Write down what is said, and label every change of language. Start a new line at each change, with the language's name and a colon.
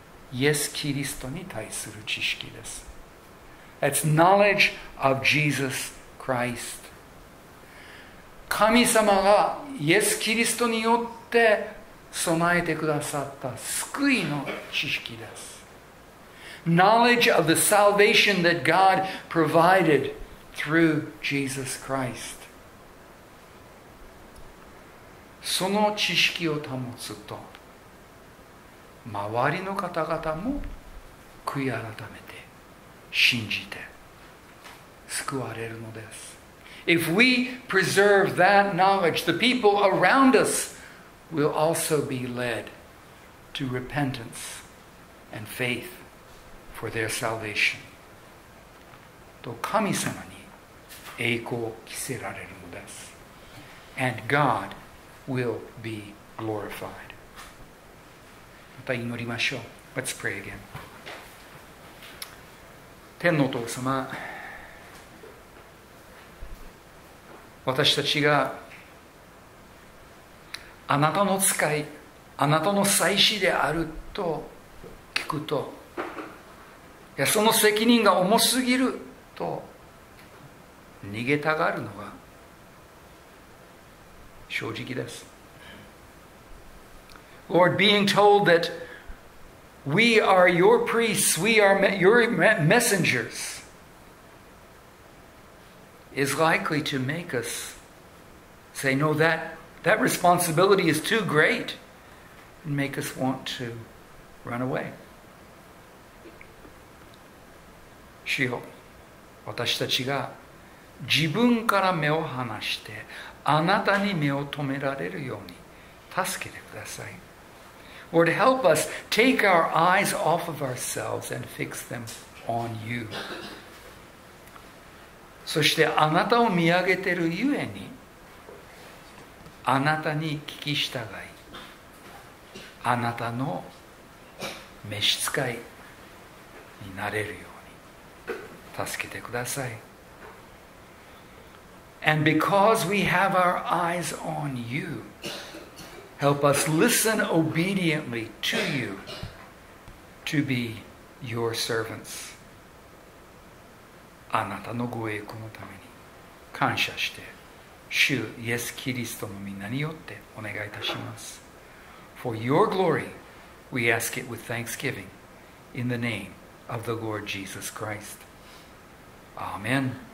Japanese: イエス・キリストに対する知識です。
English: That's knowledge of Jesus Christ.
Japanese: 神様がイエス・キリストによって備えてくださった救いの知識です。
English: knowledge of the salvation that God provided through Jesus Christ.
Japanese: その知識を保つと、周りの方々も悔い改めて信じて救われるのです。
English: If we preserve that knowledge, the people around us will also be led to repentance and faith for their salvation.
Japanese: と神様に栄光を着せられるのです。
English: And God will be glorified.
Japanese: また祈りましょう。
English: Let's pray again.
Japanese: 天のお父様、私たちがあなたの使い、あなたの祭司であると聞くと、いや、その責任が重すぎると逃げたがるのが正直です。
English: Lord, being told that we are your priests, we are your messengers, is likely to make us say, no, that responsibility is too great, and make us want to run away.
Japanese: 主よ、私たちが自分から目を離してあなたに目を留められるように助けてください。
English: Lord, help us take our eyes off of ourselves and fix them on you.
Japanese: そしてあなたを見上げているゆえに、あなたに聞き従い、あなたの召使いになれるように助けてください。
English: And because we have our eyes on you,Help us listen obediently to you to be your servants.
Japanese: あなたのご栄光のために感謝して、主イエス・キリストの皆によってお願いいたします。
English: For your glory, we ask it with thanksgiving in the name of the Lord Jesus Christ. Amen.